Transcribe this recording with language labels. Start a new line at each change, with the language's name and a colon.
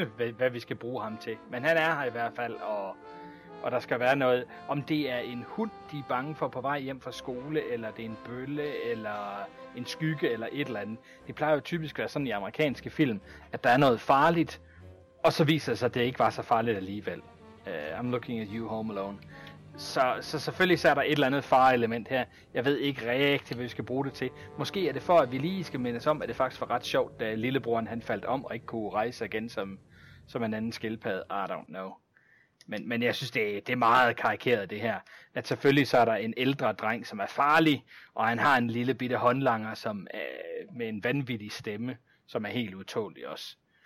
Danish: hvad vi skal bruge ham til. Men han er her i hvert fald, og der skal være noget. Om det er en hund, de er bange for på vej hjem fra skole, eller det er en bølle, eller en skygge, eller et eller andet. Det plejer jo typisk at være sådan i amerikanske film, at der er noget farligt, og så viser det sig, at det ikke var så farligt alligevel.
English: I'm looking at you, Home Alone.
Danish: Så selvfølgelig så er der et eller andet fare-element her. Jeg ved ikke rigtigt, hvad vi skal bruge det til. Måske er det for, at vi lige skal mindes om, at det faktisk var ret sjovt, da lillebroren han faldt om og ikke kunne rejse igen som en anden skildpadde.
English: I don't know.
Danish: Men jeg synes, det er meget karikeret det her. At selvfølgelig så er der en ældre dreng, som er farlig, og han har en lille bitte håndlanger som med en vanvittig stemme, som er helt utålig også.